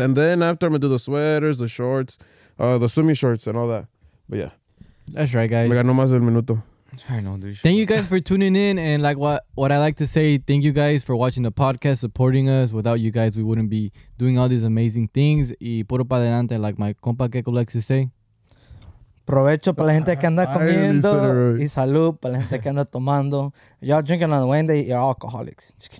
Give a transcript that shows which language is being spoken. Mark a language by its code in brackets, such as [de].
[en] And then after, I'm going to do the sweaters, the shorts, the swimming shorts and all that. But yeah. That's right, guys. [es] Me ganó más del minuto. [en] I know, dude. Thank you guys for tuning in. And like what I like to say, thank you guys for watching the podcast, supporting us. Without you guys, we wouldn't be doing all these amazing things. [es] Y puro para adelante, [en] like my compa Keko likes to say. [es] Provecho para la gente que anda comiendo y salud para la gente que anda tomando. [en] Y'all drinking on Wednesday, you're alcoholics.